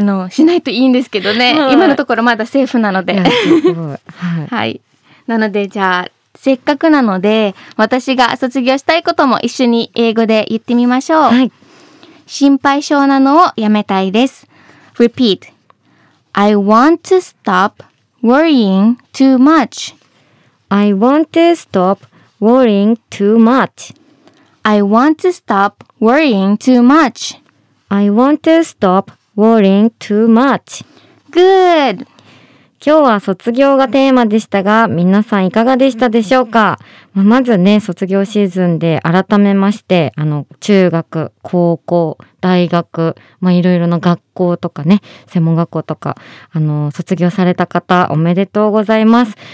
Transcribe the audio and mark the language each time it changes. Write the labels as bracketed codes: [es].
[ja] しないといいんですけどね、今のところまだセーフなので。はい、なのでじゃあせっかくなので私が卒業したいことも一緒に英語で言ってみましょう。心配性なのをやめたいです。 [en] Repeat I want to stop worrying too much. I want to stop worrying too much. I want to stop worrying too much. I want to stop worrying too much. Good. [ja] 今日は卒業がテーマでしたが、皆さんいかがでしたでしょうか。まずね、卒業シーズンで改めまして、中学、高校、大学、まあ、いろいろな学校とかね、専門学校とか、卒業された方、おめでとうございます。